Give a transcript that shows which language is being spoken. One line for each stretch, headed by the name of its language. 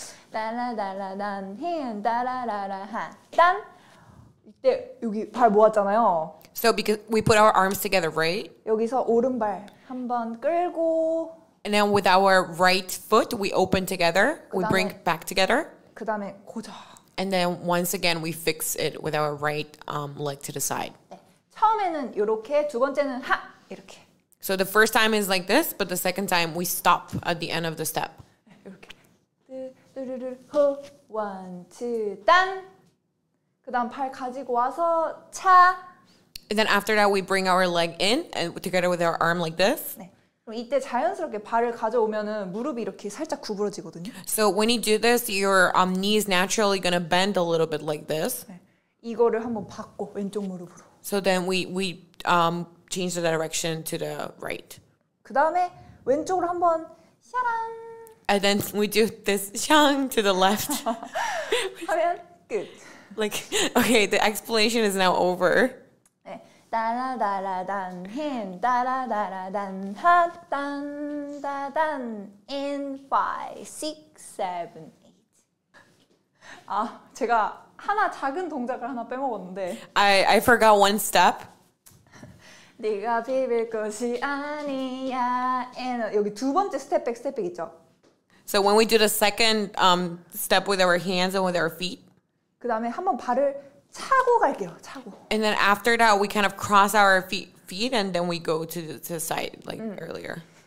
Korean: 다라다라단 힌 다라라라 한단 이때 여기 발 모았잖아요.
English: So because we put our arms together, right?
Korean: 여기서 오른발 한번 끌고
English: and then with our right foot we open together,
Korean: 그다음에,
English: we bring back together.
Korean: 그다음에 고자.
English: And then once again we fix it with our right leg to the side.
Korean: 네. 처음에는 이렇게 두 번째는 하 이렇게.
English: So the first time is like this, but the second time we stop at the end of the step. 이렇게. 두두두 호 1 2 딴.
Korean: 그다음 발 가지고 와서 차.
English: And then after that, we bring our leg in and together with our arm like this.
Korean: 네. 이때 자연스럽게 발을 가져오면은 무릎이 이렇게 살짝 구부러지거든요.
English: So when you do this, your knee is naturally gonna bend a little bit like this.
Korean: 네. 이거를 한번 받고 왼쪽 무릎으로.
English: So then we change the direction to the right.
Korean: 그 다음에 왼쪽으로 한번 샤랑.
English: And then we do this shang to the left.
Korean: 하면 끝.
English: Like okay, the explanation is now over. 다라다라단 힌 다라다라단 핫단 다단 in 5, 6, 7, 8.
Korean: 아 제가 하나 작은 동작을 하나 빼먹었는데.
English: I forgot one step.
Korean: 네가 비빌 것이 아니야. And 여기 두 번째 스텝백 스텝백 있죠.
English: So when we do the second step with our hands and with our feet.
Korean: 그다음에 한번 발을 차고 갈게요. 차고.
English: And then after that, we kind of cross our feet and then we go to the side like earlier.